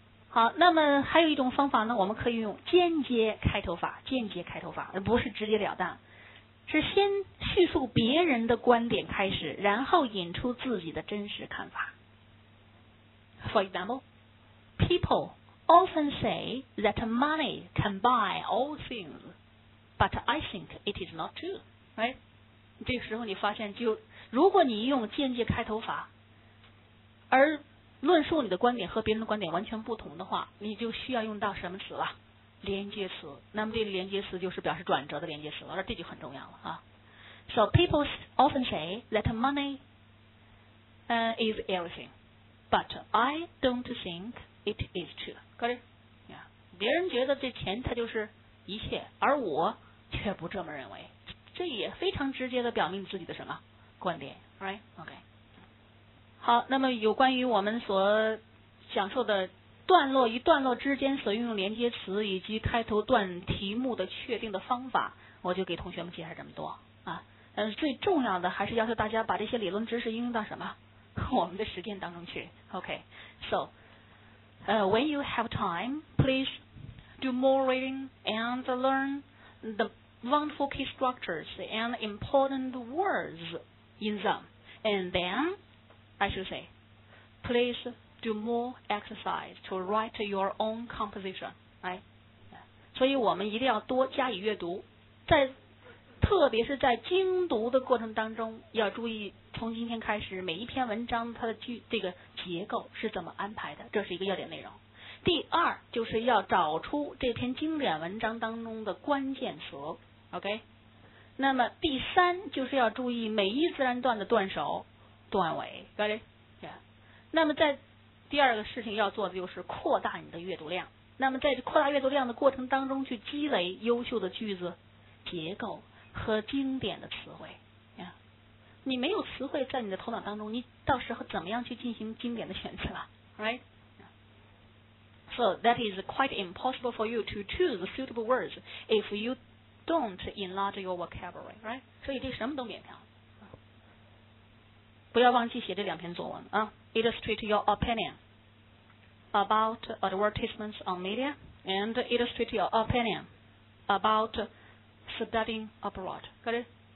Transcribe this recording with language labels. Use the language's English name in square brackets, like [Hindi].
[Chinese] 好，那么还有一种方法呢，我们可以用间接开头法，间接开头法，而不是直截了当，是先叙述别人的观点开始，然后引出自己的真实看法。 [English] For example, people often say that money can buy all things, but I think it is not true, right? [Chinese] 这个时候你发现就如果你用间接开头法而论述你的观点和别人的观点完全不同的话，你就需要用到什么词了？连接词。那么这个连接词就是表示转折的连接词了，这就很重要了啊。 [English] So people often say that money is everything, but I don't think it is true. Got it? Yeah. [Chinese] 别人觉得这钱它就是一切，而我却不这么认为。这也非常直接的表明自己的什么观点 [English] ，right? OK。 [Chinese] 好，那么有关于我们所讲授的段落与段落之间所运用连接词以及开头段题目的确定的方法，我就给同学们介绍这么多啊。但是最重要的还是要求大家把这些理论知识应用到什么我们的实践当中去。 [English] OK， so when you have time, please do more reading and learn the wonderful key structures and important words in them. And then, I should say, please do more exercise to write your own composition. Right? [Chinese] 所以我们一定要多加以阅读，在特别是在精读的过程当中，要注意从今天开始每一篇文章它的这个结构是怎么安排的，这是一个要点内容。第二就是要找出这篇经典文章当中的关键词 ，OK。那么第三就是要注意每一自然段的段首、段尾 ， [English] Got it？ Yeah。 [Chinese] 那么在第二个事情要做的就是扩大你的阅读量。那么在扩大阅读量的过程当中，去积累优秀的句子结构和经典的词汇，啊，你没有词汇在你的头脑当中，你到时候怎么样去进行经典的选择 ？ [English] Right? So that is quite impossible for you to choose suitable words if you don't enlarge your vocabulary, right? [Chinese] 所以这什么都免不了。不要忘记写这两篇作文啊 [English] ，illustrate your opinion about advertisements on media and illustrate your opinion about studying abroad, got it?